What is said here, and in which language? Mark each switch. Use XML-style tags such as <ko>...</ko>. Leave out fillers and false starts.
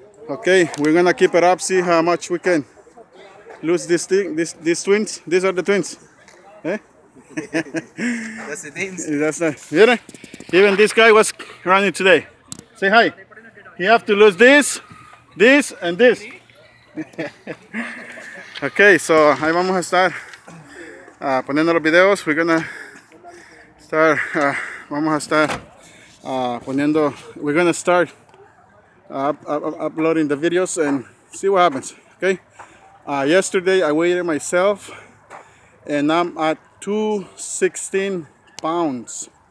<en>Okay, we're gonna keep it up, see how much we can lose this thing, these twins. These are the twins. Eh? That's the names. That's the, even this guy was running today. Say hi. He have to lose this, this, and this. Okay, so</en> <es>ahí vamos a estar poniendo los videos.</es> <en>We're gonna start, uploading the videos and see what happens, okay? Yesterday I weighed myself and I'm at 216 pounds.</en>